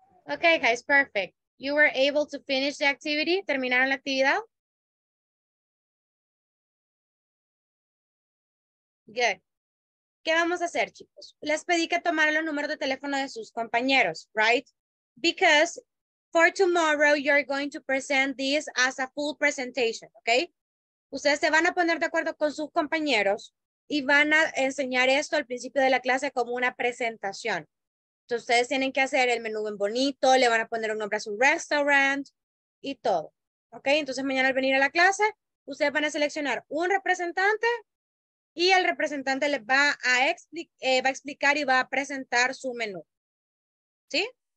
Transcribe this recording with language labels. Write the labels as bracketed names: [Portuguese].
[English] Okay, guys, perfect. You were able to finish the activity. [Spanish] ¿Terminaron la actividad? Good. ¿Qué vamos a hacer, chicos? Les pedí que tomaran los números de teléfono de sus compañeros, right? [English] Because for tomorrow, you're going to present this as a full presentation, okay? [Spanish] Ustedes se van a poner de acuerdo con sus compañeros y van a enseñar esto al principio de la clase como una presentación. Entonces, ustedes tienen que hacer el menú en bonito, le van a poner un nombre a su restaurant y todo, okay? Entonces, mañana al venir a la clase, ustedes van a seleccionar un representante y el representante les va a explicar y va a presentar su menú, ¿sí?